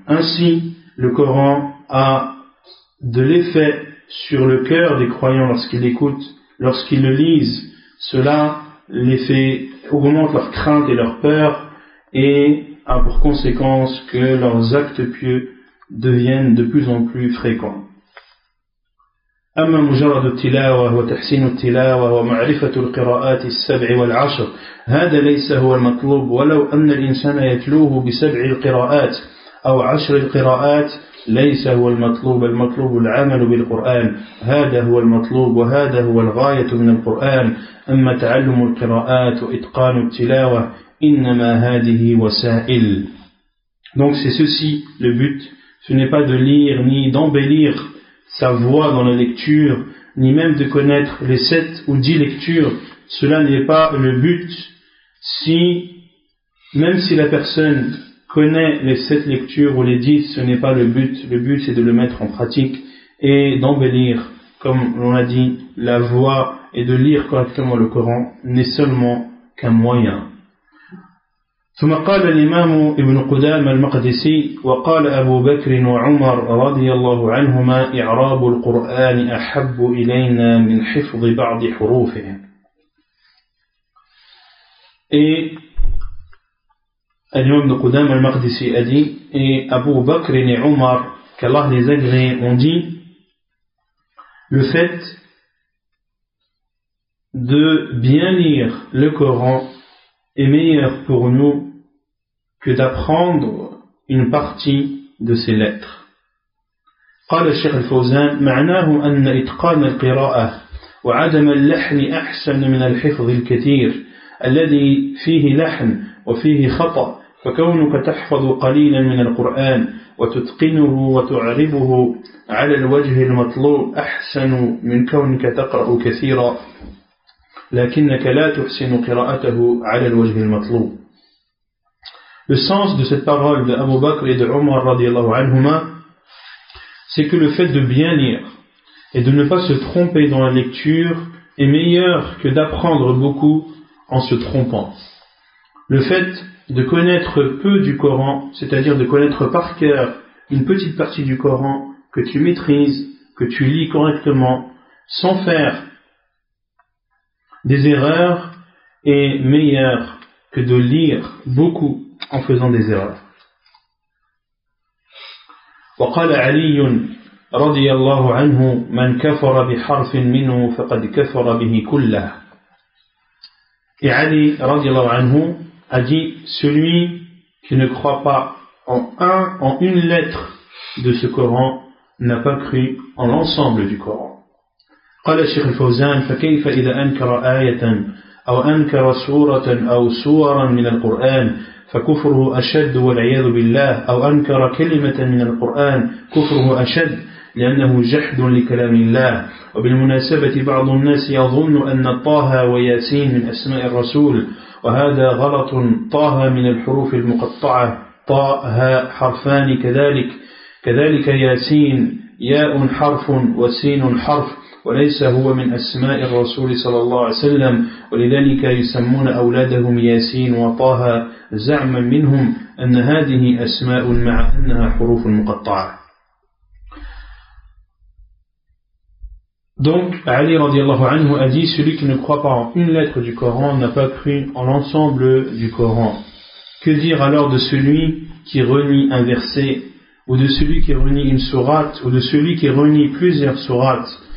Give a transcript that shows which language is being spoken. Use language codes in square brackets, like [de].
[fr] Ainsi, le Coran a de l'effet sur le cœur des croyants lorsqu'ils l'écoutent, lorsqu'ils le lisent. Cela les fait augmenter leur crainte et leur peur et a pour conséquence que leurs actes pieux deviennent de plus en plus fréquents. [ar] أما مجرد التلاوة وتحسين التلاوة ومعرفة القراءات السبع والعشر هذا ليس هو المطلوب ولو أن الإنسان يتلوه بسبع القراءات أو عشر القراءات ليس هو المطلوب المطلوب العمل بالقرآن هذا هو المطلوب وهذا هو الغاية من القرآن أما تعلم القراءات وإتقان التلاوة إنما هذه وسائل. [fr] Donc c'est ceci le but, ce n'est pas de lire ni d'embellir sa voix dans la lecture, ni même de connaître les 7 ou 10 lectures, cela n'est pas le but. Si, même si la personne connaît les 7 lectures ou les 10, ce n'est pas le but. Le but, c'est de le mettre en pratique et d'embellir, comme l'on a dit, la voix et de lire correctement le Coran n'est seulement qu'un moyen. [ar] ثم قال الإمام ابن قدامة المقدسي وقال أبو بكر وعمر رضي الله عنهما إعراب القرآن أحب إلينا من حفظ بعض حروفه. [fr] Et l'imam ibn Qudama al-Maqdisi a dit, et Abu Bakr et Umar, qu'Allah les agrée, ont dit, le fait de bien lire le Coran est meilleur pour nous que d'apprendre une partie de ses lettres. [ar] قال الشيخ الفوزان معناه أن إتقان القراءة وعدم اللحن أحسن من الحفظ الكثير الذي فيه لحن وفيه خطأ فكونك تحفظ قليلا من القرآن وتتقنه وتعربه على الوجه المطلوب أحسن من كونك تقرأ كثيرا لكنك لا تحسن قراءته على الوجه المطلوب. [fr] Le sens de cette parole de Abu Bakr et de Omar [ar] radiallahu anhuma, [fr] c'est que le fait de bien lire et de ne pas se tromper dans la lecture est meilleur que d'apprendre beaucoup en se trompant. Le fait de connaître peu du Coran, c'est-à-dire de connaître par cœur une petite partie du Coran que tu maîtrises, que tu lis correctement, sans faire des erreurs, est meilleur que de lire beaucoup en faisant des erreurs. [ar] وقال علي رضي الله عنه من كفر بحرف منه فقد كفر به كله. [fr] Et Ali [ar] رضي الله عنه [fr] a dit, celui qui ne croit pas en une lettre de ce Coran n'a pas cru en l'ensemble du Coran. [ar] قال الشيخ الفوزان فكيف إذا أنكر آية أو أنكر سورة أو سورا من القرآن فكفره أشد والعياذ بالله أو أنكر كلمة من القرآن كفره أشد لأنه جحد لكلام الله وبالمناسبة بعض الناس يظن أن طه وياسين من أسماء الرسول وهذا غلط طه من الحروف المقطعة طه حرفان كذلك ياسين ياء حرف وسين حرف وليس هو من أسماء الرسول صلى الله عليه وسلم ولذلك يسمون أولادهم ياسين وطه زعما منهم أن هذه أسماء مع أنها حروف مقطعة. [fr] Donc Ali [ar] رضي الله عنه [fr] a dit, celui qui ne croit pas en une lettre du Coran n'a pas cru en l'ensemble du Coran. Que dire alors de celui qui renie un verset, ou de celui qui renie une sourate, ou de celui qui renie plusieurs sourates?